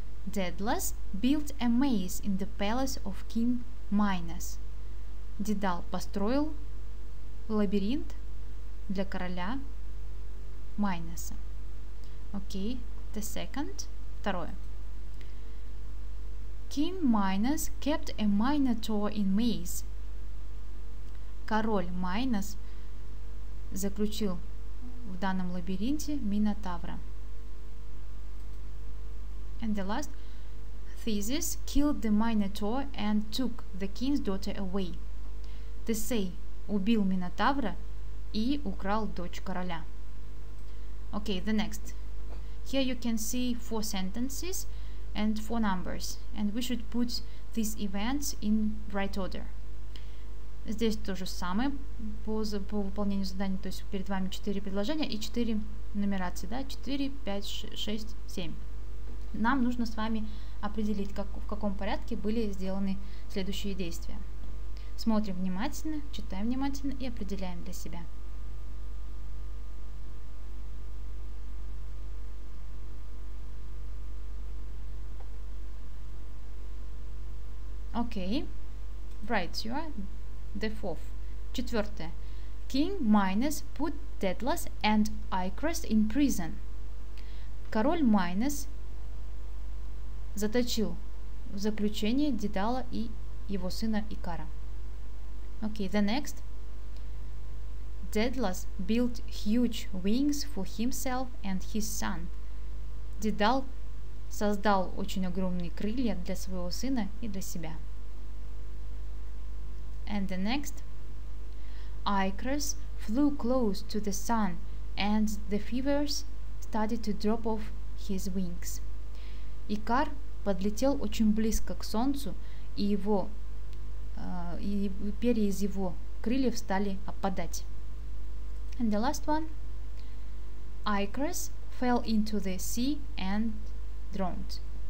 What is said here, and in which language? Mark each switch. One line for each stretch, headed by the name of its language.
English: Daedalus built a maze in the palace of King Minos.
Russian: Дедал построил лабиринт для короля Майноса.
English: Okay, the second.
Russian: Второе.
English: King Minos kept a minotaur in maze.
Russian: Король Майнос заключил в данном лабиринте Минотавра.
English: And the last. Theseus killed the Minotaur and took the king's daughter away.
Russian: Тесей убил Минотавра и украл дочь короля.
English: Okay, the next. Here you can see four sentences and four numbers, and we should put these events in right order.
Russian: Здесь то же самое по выполнению задания, то есть перед вами четыре предложения и четыре нумерации, да, 4, 5, 6, 7. Нам нужно с вами определить, как, в каком порядке были сделаны следующие действия. Смотрим внимательно, читаем внимательно и определяем для себя.
English: Okay, right, you are the fourth.
Russian: Четвертое.
English: King Minos put Daedalus and Icarus in prison.
Russian: Король Minos заточил в заключение Дедала и его сына Икара.
English: Okay, the next. Daedalus built huge wings for himself and his son.
Russian: Дедал создал очень огромные крылья для своего сына и для себя.
English: And the next. Icarus flew close to the sun and the feathers started to drop off his wings.
Russian: Икар подлетел очень близко к солнцу, и его и перья из его крыльев стали опадать.
English: And the last one. Icarus fell into the sea and drowned.